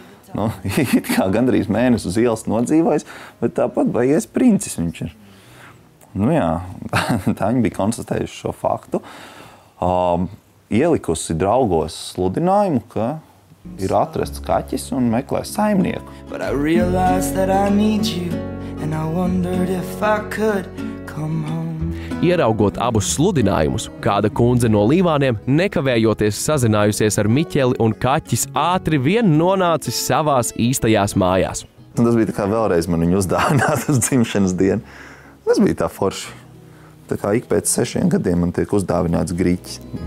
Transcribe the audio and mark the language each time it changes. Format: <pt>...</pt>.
<lv>Nu, it kā gandrīz mēnesi uz ielas nodzīvojis, bet tāpat baigies princis viņš ir. Nu jā, tā viņi bija konstatējuši šo faktu. Ielikusi draugos sludinājumu, ka ir atrasts kaķis un meklē saimnieku.</lv> <en>But I realized that I need you and I wondered if I could come home.</en> <lv>Ieraugot abus sludinājumus, kāda kundze no Līvāniem, nekavējoties sazinājusies ar Miķeli un kaķis, ātri vien nonācis savās īstajās mājās. Tas bija tā kā vēlreiz man viņu uzdāvināt uz dzimšanas dienu. Tas bija tā forši. Tā kā ik pēc 6 gadiem man tiek uzdāvināts Griķis.</lv>